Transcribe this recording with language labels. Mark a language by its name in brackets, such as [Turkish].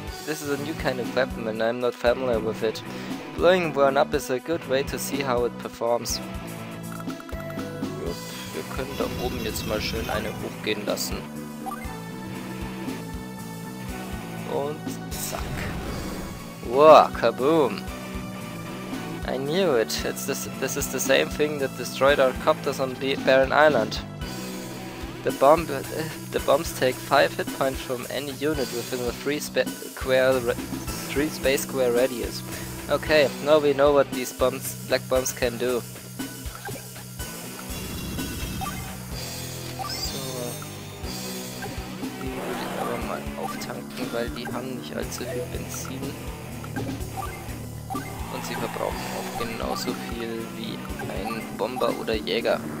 [English] This is a new kind of weapon and I'm not familiar with it. Blowing one up is a good way to see how it performs. [German] Gut, wir können da oben jetzt mal schön eine hochgehen lassen. Und zack. [English] Wow, kaboom! I knew it. This is the same thing that destroyed our copters on the Barren Island. The bombs take 5 hit points from any unit within a 3 space square radius. Okay, now we know what these bombs, black bombs, can do. [German] So, die würde ich aber mal auftanken, weil die haben nicht allzu viel Benzin. Und sie verbrauchen auch genauso viel wie ein Bomber oder Jäger.